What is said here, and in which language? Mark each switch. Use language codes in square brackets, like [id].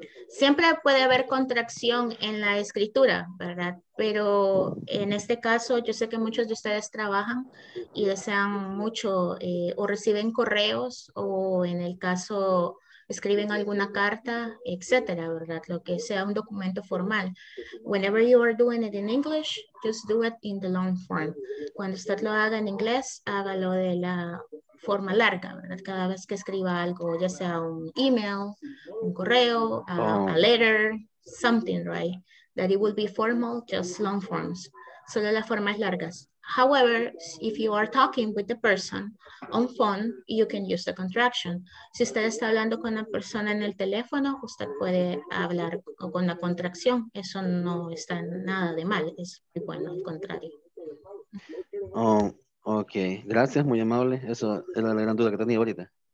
[es] Siempre puede haber contracción en la escritura, ¿verdad? Pero en este caso, yo sé que muchos de ustedes trabajan y desean mucho o reciben correos o en el caso escriben alguna carta, etcétera, ¿verdad? Lo que sea un documento formal. [en] Whenever you are doing it in English, just do it in the long form. [es] Cuando usted lo haga en inglés, hágalo de la forma larga, ¿verdad? Cada vez que escriba algo, ya sea un email, un correo, a letter, something, right? [en] That it will be formal, just long forms. Solo las formas largas. However, if you are talking with the person on phone, you can use the contraction. [es] Si usted está hablando con una persona en el teléfono, usted puede hablar con la contracción. Eso no está nada de mal. Es muy bueno, al contrario. Oh, ok. Gracias, muy amable. Eso es la gran duda que tenía ahorita.